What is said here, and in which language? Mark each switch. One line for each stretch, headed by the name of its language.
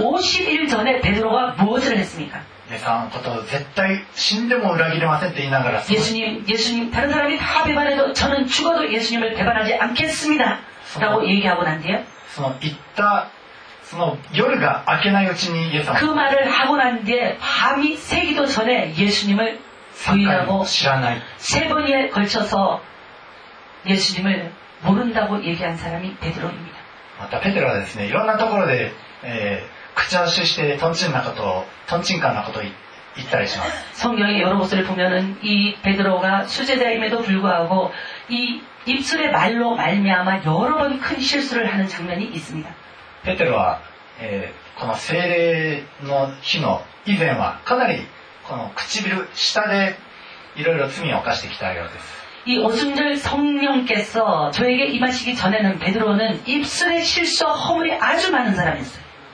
Japanese: 50日前ペテロは何をしましたか。イエス様のことを絶対死んでも裏切れませんと言いながら。
Korean: イエス님、イエス님、
Japanese: 他の人に
Korean: 反背만해도、저는죽어도イエス님을배반하지않겠습니다。 라고얘기하고난뒤에。
Japanese: その言ったその夜が明けないうちにイエス様。
Korean: 그말을하고난뒤에밤이새기도전에예수님을부인하고
Japanese: 知らない。
Korean: 세번에걸쳐서예수님을모른다고얘기한사람이베드로입니다。
Japanese: またペテロはですね、いろんなところで、口出ししてトンチンなことトンチンカンなことを言ったりします。
Korean: 성경의여러곳을보면은이베드로가수제자임에도불구하고이입술의말로말미암아여러번큰실수를하는장면이있습니다。
Japanese: ペテロは、この聖霊の日の以前はかなりこの唇下でいろいろ罪を犯してきたようです。
Korean: 이오순절성령께서저에게임하시기전에는베드로는입술의실수허물이아주많은사람이었어요。